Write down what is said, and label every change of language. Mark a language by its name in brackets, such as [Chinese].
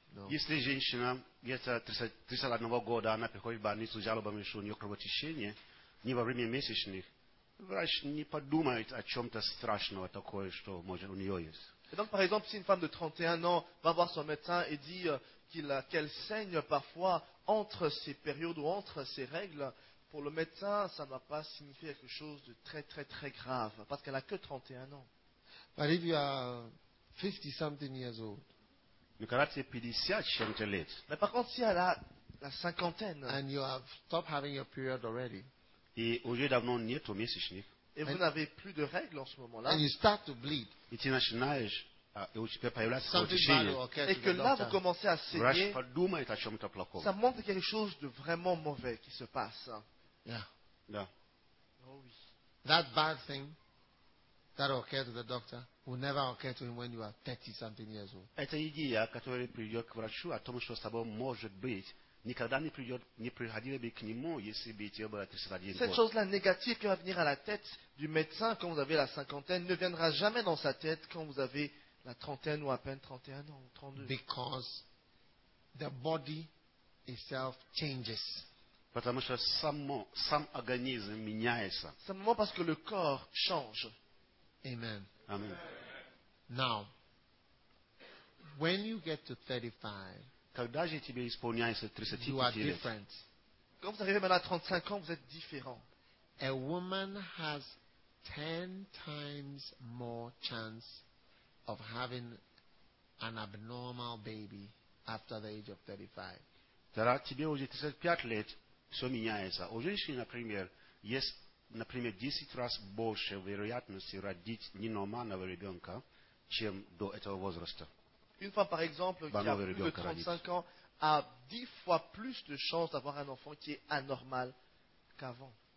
[Russian] Если женщина где-то 31 года, она приходит в больницу с жалобами, что у нее кровотечение, не во время месячных, врач не подумает о чем-то страшного такое, что может у нее есть. [French] Et donc, par exemple, si une femme de 31 ans va voir son médecin et dit qu'elle saigne parfois entre ses périodes ou entre ses règles. Pour le médecin, ça ne va pas signifier quelque chose de très, très, très grave, parce qu'elle n'a que 31 ans. [English] But if you are 50-something years old, [French] mais quand tu es [English] 50-something years old, [French] mais par contre, si elle a la cinquantaine, [English] and you have stopped having your period already, [French] et au lieu d'avoir nié ton mensonge, et vous n'avez plus de règles en ce moment-là, [English] and you start to bleed, [French] et tu n'as pas et que là vous commencez à saigner, ça montre qu'il y a quelque chose de vraiment mauvais qui se passe. Yeah. Oh, oui. [English] That bad thing that occurs to the doctor will never occur to him when you are 30-something years old. [Russian] Эта идея, которая придет к врачу о том, что с тобой может быть, никогда не приходила бы к нему, если бы тебе было 31 год. [French] Cette chose-là négative qui va venir à la tête du médecin quand vous avez la cinquantaine ne viendra jamais dans sa tête quand vous avez la trentaine ou à peine 31 ans, 32. [English] Because the body itself changes. [Russian] Потому что сам организм меняется. [French] Simplement parce que le corps change. Amen. Amen. [English] Now, when you get to 35, [Russian] когда же тебе исполняется 35 лет, [English] you are different. [French] Quand vous arrivez maintenant à 35 ans, vous êtes différent. [English] A woman has 10 times more chance of having an abnormal baby after the age of [Russian] 35. Уже 35 лет, все меняется. У женщины, например, есть, например, 10 раз больше вероятности родить ненормального ребенка, чем до этого возраста. [French] Une femme, par exemple, qui a plus de 35 ans, a 10 fois plus de chances d'avoir un enfant qui est anormal qu'avant.